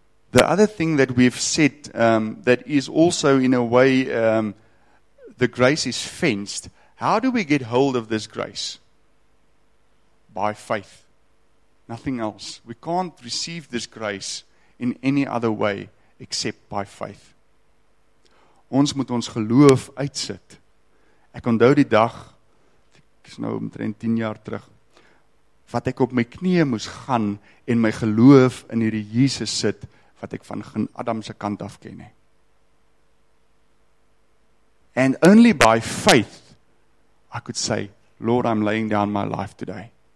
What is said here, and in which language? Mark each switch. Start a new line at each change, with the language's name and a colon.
English: The other thing that we've said, that is also in a way, the grace is fenced. How do we get hold of this grace? By faith. Nothing else. We can't receive this grace in any other way except by faith.
Afrikaans: Ons moet ons geloof uitsit. Ek onthou die dag, ek is nou omtrent 10 jaar terug, wat ek op my knieë moes gaan en my geloof in hierdie Jesus sit, wat ek van geen Adam se kant af ken nie.
English: And only by faith I could say, Lord, I'm laying down my life today.